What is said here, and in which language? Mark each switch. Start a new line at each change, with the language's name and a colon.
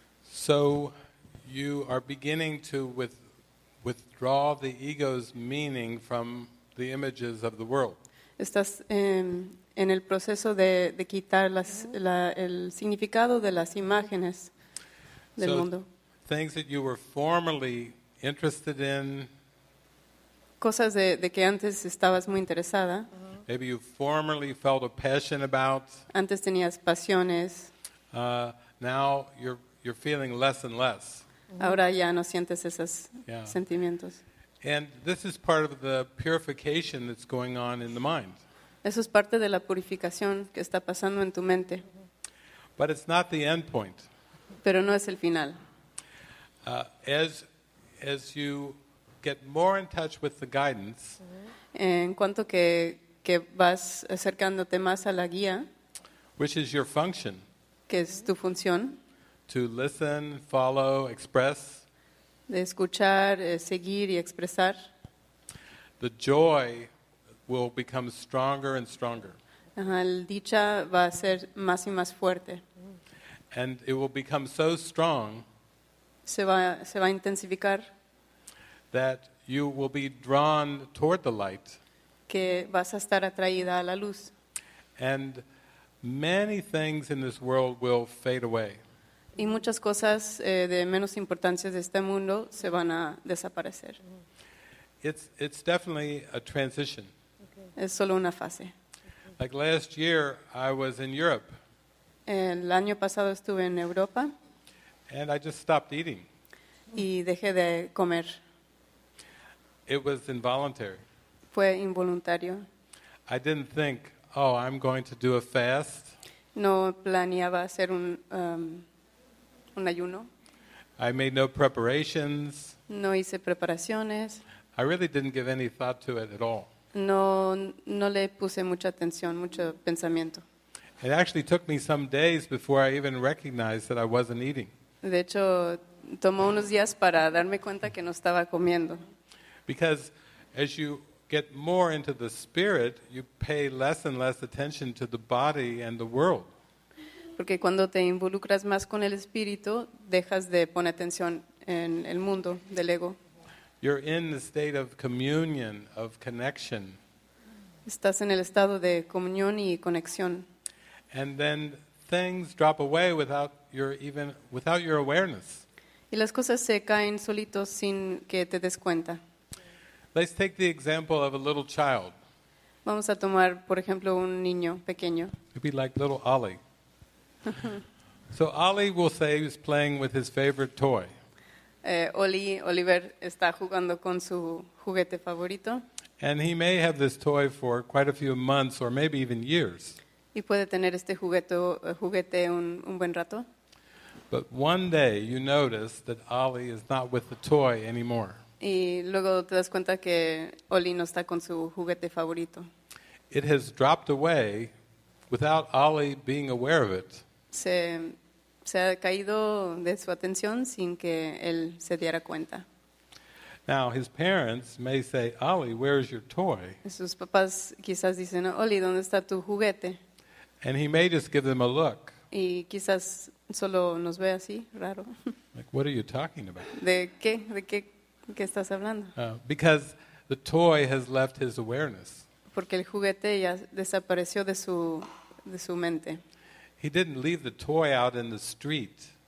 English: So you are beginning to withdraw the ego's meaning from the images of the world.
Spanish: Estás en el proceso de quitar el significado de las imágenes.
English: So, things that you were formerly interested in.
Spanish: Cosas de que antes estabas muy interesada.
English: Uh-huh. Maybe you formerly felt a passion about.
Spanish: Antes tenías pasiones.
English: Now you're feeling less and less.
Spanish: Uh-huh. Ahora ya no sientes esos yeah. sentimientos.
English: And this is part of the purification that's going on in the mind.
Spanish: Eso es parte de la purificación que está pasando en tu mente.
English: Uh-huh. But it's not the end point.
Spanish: Pero no es el final.
English: As you get more in touch with the guidance,
Spanish: en cuanto que vas acercándote más a la guía,
English: which is your function,
Spanish: que es tu función,
English: to listen, follow, express,
Spanish: de escuchar, seguir y expresar,
English: the joy will become stronger and stronger.
Spanish: El dicha va a ser más y más fuerte.
English: And it will become so strong
Spanish: se va a intensificar
English: that you will be drawn toward the light.
Spanish: Que vas a estar atraída a la luz.
English: And many things in this world will fade away.
Spanish: Y muchas cosas de menos importancia de este mundo se van a desaparecer.
English: It's definitely a transition.
Spanish: Okay. Es solo una fase.
English: Like last year, I was in Europe.
Spanish: El año pasado estuve en Europa.
English: And I just stopped eating.
Spanish: Y dejé de comer.
English: It was involuntary.
Spanish: Fue involuntario.
English: I didn't think, oh, I'm going to do a fast.
Spanish: No planeaba hacer un ayuno.
English: I made no preparations.
Spanish: No hice preparaciones.
English: I really didn't give any thought to it at all.
Spanish: No le puse mucha atención, mucho pensamiento.
English: It actually took me some days before I even recognized that I wasn't eating.
Spanish: De hecho, tomó unos días para darme cuenta que no estaba comiendo.
English: Because as you get more into the spirit, you pay less and less attention to the body and the world.
Spanish: Porque cuando te involucras más con el espíritu, dejas de poner atención en el mundo del ego.
English: You're in the state of communion, of connection.
Spanish: Estás en el estado de comunión y conexión.
English: And then things drop away without your awareness.
Spanish: Y las cosas se caen solitos sin que te des cuenta.
English: Let's take the example of a little child.
Spanish: Vamos a tomar, por ejemplo, un niño pequeño.
English: It'd be like little Ollie. So Ollie will say he's playing with his favorite toy.
Spanish: Oliver está jugando con su juguete favorito.
English: And he may have this toy for quite a few months or maybe even years.
Spanish: Y puede tener este juguete un buen rato.
English: But one day you notice that Ollie is not with the toy anymore.
Spanish: Y luego te das cuenta que Ollie no está con su juguete favorito.
English: It has dropped away without Ollie being aware of it.
Spanish: Se ha caído de su atención sin que él se diera cuenta.
English: Now his parents may say, "Ollie, where is your toy?"
Spanish: Sus papás quizás dicen, "Ollie, ¿dónde está tu juguete?"
English: And he may just give them a look.
Spanish: Y quizás solo nos ve así, raro.
English: Like, what are you talking about?
Spanish: ¿De qué estás hablando?
English: Because the toy has left his awareness.
Spanish: Porque el juguete ya desapareció de su mente.
English: He didn't leave the toy out in the street.